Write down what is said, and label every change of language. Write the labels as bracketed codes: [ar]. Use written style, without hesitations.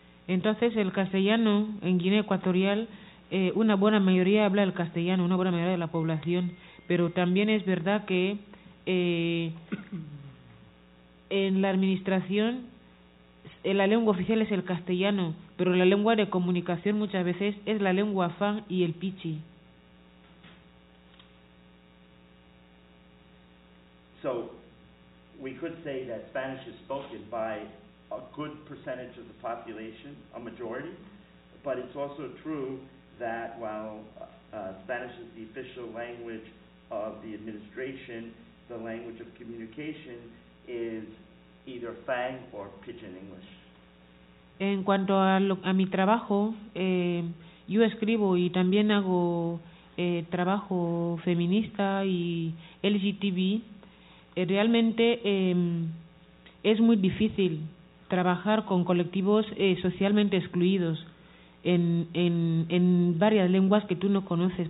[es] Entonces, el castellano en Guinea Ecuatorial, una buena mayoría habla el castellano, una buena mayoría de la población, pero también es verdad que en la administración la lengua oficial es el castellano, pero la lengua de comunicación muchas veces es la lengua Fang y el Pichi. [en] So we could say that Spanish is spoken by a good percentage of the population, a majority, but it's also true that while Spanish is the official language of the administration, the language of communication is either Fang or Pidgin English. [es] En cuanto a mi trabajo, yo escribo y también hago trabajo feminista y LGTB. Realmente es muy difícil trabajar con colectivos socialmente excluidos en varias lenguas que tú no conoces.